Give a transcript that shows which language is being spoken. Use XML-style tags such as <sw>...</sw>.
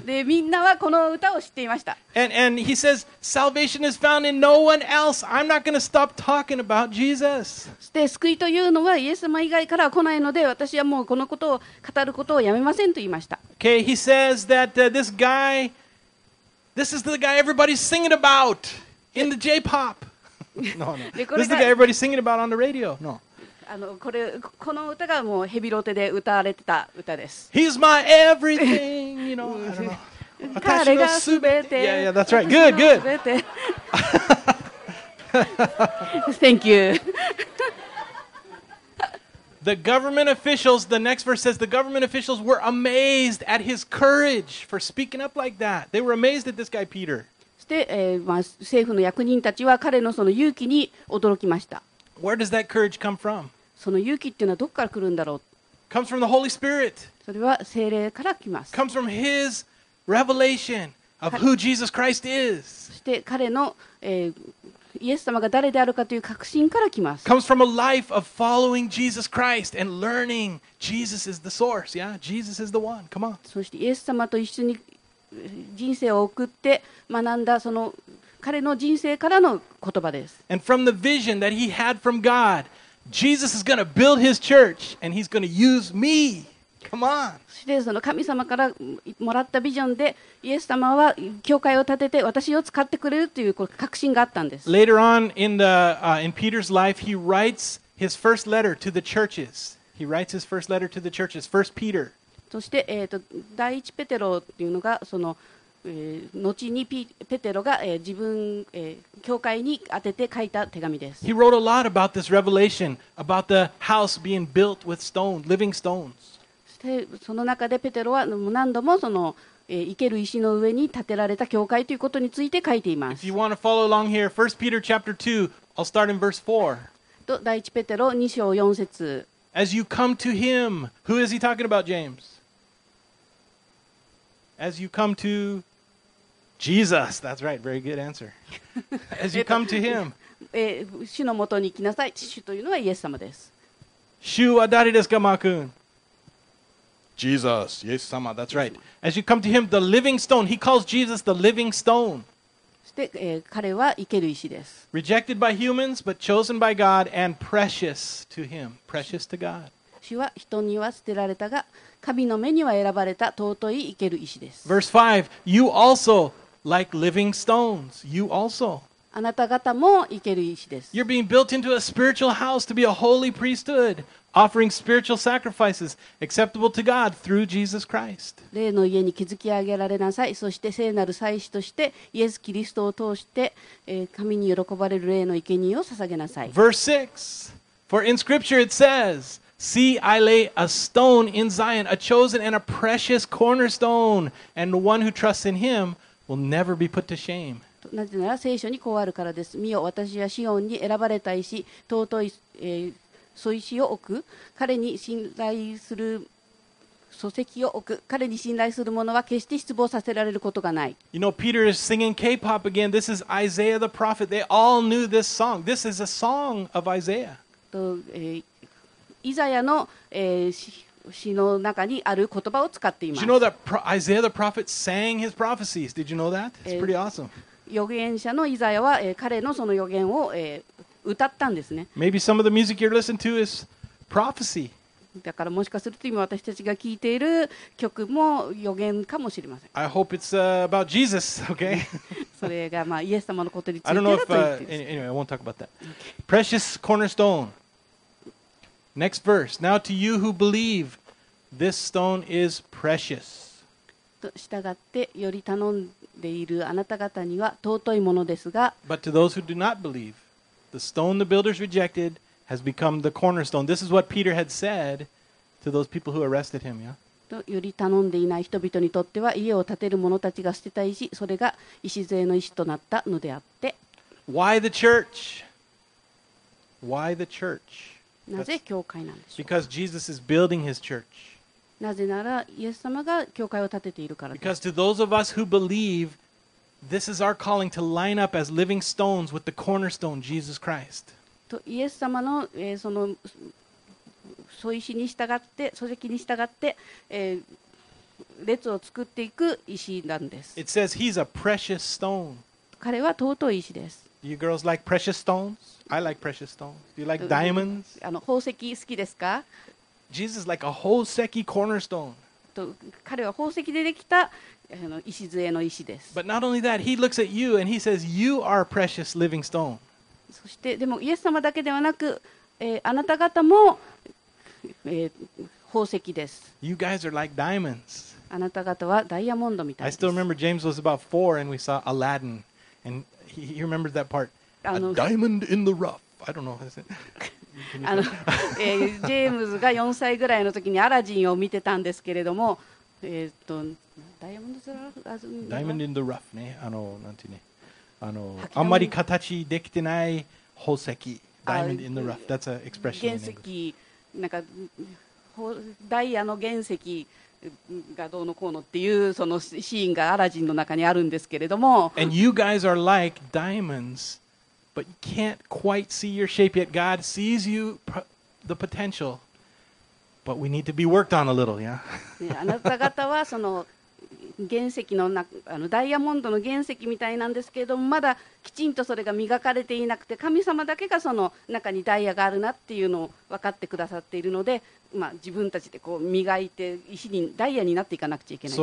<ja>で、みんなはこの歌を知っていました。</ja> <en>And he says, salvation is found in no one else. I'm not going to stop talking about Jesus.</en> <ja>で、救いというのはイエス様以外からは来ないので、私はもうこのことを語ることをやめませんと言いました。</ja> <en>Okay, he says that this is the guy everybody's singing about in the J-pop. No. This is the guy everybody's singing about on the radio. No.</en> <ja>あの この歌がもうヘビロテで歌われてた歌です。</ja> <en>He's my everything, you know. I don't know.</en> <ja>彼がすべて。</ja> <en>Yeah, yeah, that's right. Good, good. Thank you. The government officials, the next verse says, the government officials were amazed at his courage for speaking up like that. They were amazed at this guy, Peter.</en> <ja>そして、政府の役人たちは彼のその勇気に驚きました。</ja> <en>Where does that courage come from?</en> <ja>その勇気っていうのはどこから来るんだろう</ja> <en>Comes from the Holy Spirit.</en> <ja>それは聖霊から来ます</ja> <en>Comes from his revelation of who Jesus Christ is.</en> <ja>そして彼の、イエス様が誰であるかという確信から来ます</ja> <en>Comes from a life of following Jesus Christ and learning Jesus is the source. Yeah, Jesus is the one. Come on.</en> <ja>そしてイエス様と一緒に人生を送って学んだその彼の人生からの言葉です</ja> <en>And from the vision that he had from GodJesus is going to build his church and he's going to use me. Come on.</en> <ja>そしてその神様からもらったビジョンでイエス様は教会を建てて私を使ってくれるという確信があったんです。</ja> <en>Later on in Peter's life, he writes his first letter to the churches. He writes his first letter to the churches, 1 Peter.</en> <ja>そして第一ペテロというのがその後にペテロが自分教会に宛てて書いた手紙です。</ja> <en>He wrote a lot about this revelation about the house being built with stone, living stones.</en> <ja>その中でペテロは何度もその生ける石の上に建てられた教会ということについて書いています。</ja> <en>If you want to follow along here, 1 Peter chapter 2, I'll start in verse 4.</en> <ja>と第一ペテロ2章4節。</ja> <en>As you come to him, who is he talking about, James? As you come to Jesus, that's right, very good answer. As you come to him.</en> <ja>主のもとに来なさい。主というのはイエス様です。主は誰ですか、マー君?</ja> <en>Jesus, イエス様、that's right. As you come to him, the living stone, he calls Jesus the living stone.</en> <ja>そして、彼は生ける石です。</ja> <en>Rejected by humans, but chosen by God and precious to him, precious to God.</en> <ja>主は人には捨てられたが神の目には選ばれた尊い生ける石です</ja> <en>Verse 5 You also like living stones You also</en> <ja>あなた方も生ける石です</ja> <en>You're being built into a spiritual house to be a holy priesthood offering spiritual sacrifices acceptable to God through Jesus Christ</en> <ja>霊の家に築き上げられなさいそして聖なる祭司としてイエス・キリストを通して神に喜ばれる霊の生贄を捧げなさい</ja> <en>Verse 6 For in scripture it saysSee, I lay a stone in Zion, a chosen and a precious cornerstone, and the one who trusts in him will never be put to shame.</en> <ja>なぜなら聖書にこうあるからです。見よ、私はシオンに選ばれた石、尊い、素石を置く。彼に信頼する礎石を置く。彼に信頼する者は決して失望させられることがない。</ja> <en>You know, Peter is singing K-pop again. This is Isaiah the prophet. They all knew this song. This is a song of Isaiah.</en> <ja>と、イザヤの、詩の中にある言葉を使っています。</ja> <en>Did you know that Isaiah the prophet sang his prophecies? Did you know that? It's pretty awesome.</en> <ja>預言者のイザヤは、彼のその預言を、歌ったんですね。</ja> <en>Maybe some of the music you're listening to is prophecy.</en> <ja>だからもしかすると今私たちが聴いている曲も預言かもしれません。</ja> <en>I hope it's about Jesus, okay?</en> <ja>それがまあイエス様のことについてだと言ってます。</ja> <en>I don't know if, anyway, I won't talk about that. Precious cornerstone. Next verse. Now to you who believe, this stone is precious.</en> <ja>従ってより頼んでいるあなた方には尊いものですが。</ja> <en>But to those who do not believe, the stone the builders rejected has become the cornerstone. This is what Peter had said to those people who arrested him. Yeah.</en> <ja>より頼んでいない人々にとっては家を建てる者たちが捨てた石、それが礎の石となったのであって。</ja> <en>Why the church? Why the church?</en> <ja>なぜ教会なんでしょうか?</ja> <en>Because Jesus is building his church.</en> <ja>なぜならイエス様が教会を建てているからです。</ja> <en>Because to those of us who believe, this is our calling to line up as living stones with the cornerstone, Jesus Christ.</en> <ja>とイエス様の、その素石に従って礎石に従って、列を作っていく石なんです。</ja> <en>It says he's a precious stone.</en> <ja>彼は尊い石です。</ja> <en>Do you girls like precious stones? I like precious stones. Do you like diamonds?</en> <ja>あの宝石好きですか?</ja> <en>Jesus is like a 宝石 cornerstone.</en> <ja>彼は宝石でできた石杖の石です。</ja> <en>But not only that, he looks at you and he says, "You are a precious living stone."</en> <ja>そしてでもイエス様だけではなく、あなた方も、宝石です。</ja> <en>You guys are like diamonds.</en> <ja>あなた方はダイヤモンドみたいです。</ja> <en>I still remember James was about four and we saw Aladdin and he remembers that part. A diamond in the rough. I don't know.</en> <ja>ジェームズが4歳ぐらいの時にアラジンを見てたんですけれども、ダイヤモンドズラフ。</ja> <en>ダイヤモンドインザラフ</en> <ja>ね。なんていうね。あんまり形できてない宝石。ダイヤモンドインザラフ。</ja> <en>That's an expression.</en> <ja>原石。なんかダイヤの原石がどうのこうのっていうそのシーンがアラジンの中にあるんですけれども。</ja> <en>And you guys are like diamonds, but you can't quite see your shape yet. God sees you the potential, but we need to be worked on a little, yeah?</en> <ja>あなた方はその原石の中、ダイヤモンドの原石みたいなんですけれども、まだきちんとそれが磨かれていなくて、神様だけがその中にダイヤがあるなっていうのを分かってくださっているので、まあ、自分たちでこう磨いて石にダイヤになっていかなくちゃいけないです。</ja>